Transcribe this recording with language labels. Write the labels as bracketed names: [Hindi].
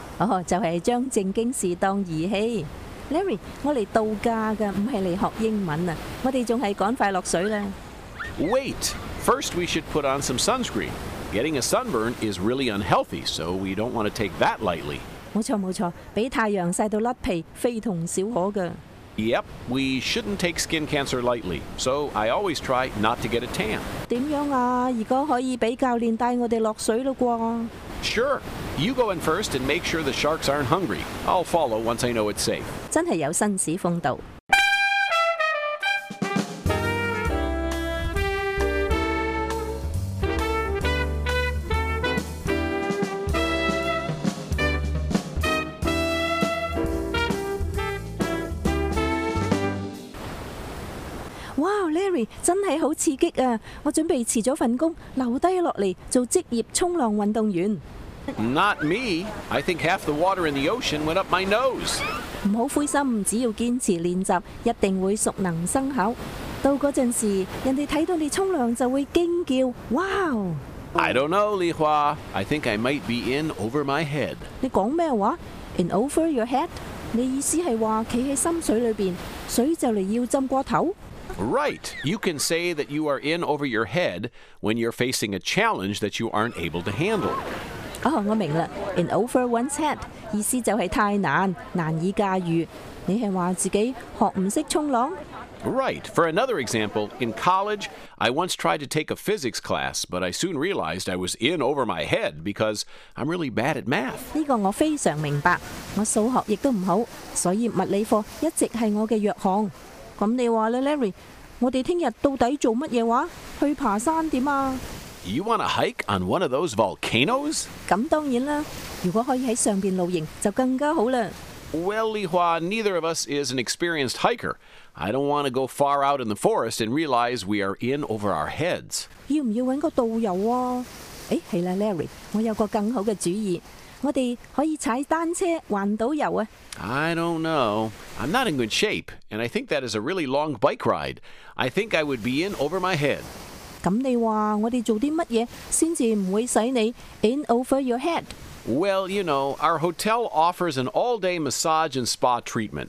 [Chinese] 哦，就系将正经事当儿戏。Larry， 我嚟度假噶，唔系嚟学英文啊。我哋仲系赶快落水啦。 [English] Wait. First, we should put on some sunscreen. Getting a sunburn is really unhealthy, so we don't want to take that lightly. [Chinese] 没错没错，被太阳晒到甩皮，非同小可的。 [English] Yep, we shouldn't take skin cancer lightly. So I always try not to get a tan. [Chinese] 怎样啊？如果可以被教练带我哋落水了啩 [English] ？Sure, you go in first and make sure the sharks aren't hungry. I'll follow once I know it's safe. [Chinese] 真系有绅士风度。真系好刺激啊！我准备辞咗份工，留低落嚟做职业冲浪运动员。 [English] Not me. I think half the water in the ocean went up my nose. [Chinese] 唔好灰心，只要坚持练习，一定会熟能生巧。到嗰阵时，人哋睇到你冲浪就会惊叫：哇 [English] ！I don't know, Li Hua. I think I might be in over my head. [Chinese] 你讲咩话 ？ [English] In over your head？ [Chinese] 你意思系话企喺深水里边，水就嚟要浸过头？ [English] Right. You can say that you are in over your head when you're facing a challenge that you aren't able to handle. Oh, [Chinese] 我明了。 [English] In over one's head, [Chinese] 意思就是太难，难以驾驭。你是说自己学不会冲浪？ [English] Right. For another example, in college, I once tried to take a physics class, but I soon realized I was in over my head because I'm really bad at math. [Chinese] 这个我非常明白。我数学也不好，所以物理课一直是我的弱项。咁你话咧 ，Larry， 我哋听日到底做乜嘢话？去爬山点啊 [English] ？You want to hike on one of those volcanoes？ [Chinese] 咁当然啦，如果可以喺上边露营就更加好啦。 [English] Well, Li Hua, neither of us is an experienced hiker. I don't want to go far out in the forest and realize we are in over our heads. [Chinese] 要唔要揾个导游啊？诶，系啦 ，Larry， 我有个更好嘅主意。我哋可以踩单车环岛游啊 [English] ！I don't know. I'm not in good shape, and I think that is a really long bike ride. I think I would be in over my head. [Chinese] 咁你话我哋做啲乜嘢先至唔会使你 [English] in over your head？ Well, you know, our hotel offers an all-day massage and spa treatment.